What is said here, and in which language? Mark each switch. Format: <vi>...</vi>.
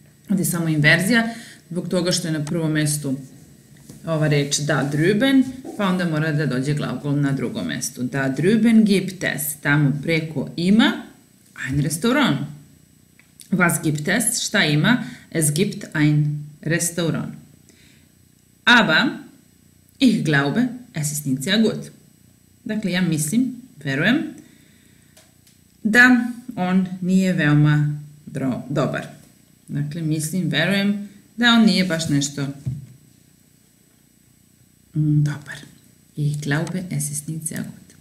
<sr>Ovdje je samo inverzija, zbog toga što je na prvom mestu ova reč da druben, pa onda mora da dođe glagol na drugom mjestu.</sr> <de>Da drüben gibt es.</de> <sr>Tamo preko ima</sr> <de>ein restaurant. Was gibt es?</de> <sr>Šta ima?</sr> <de>Es gibt ein restaurant. Aber ich glaube, es ist nicht sehr gut.</de> <sr>Dakle, ja mislim, verujem, da on nije veoma dobar. Dakle, mislim, verujem, da on nije baš nešto dobar.</sr> <de>Ich glaube, es ist nicht sehr gut.</de>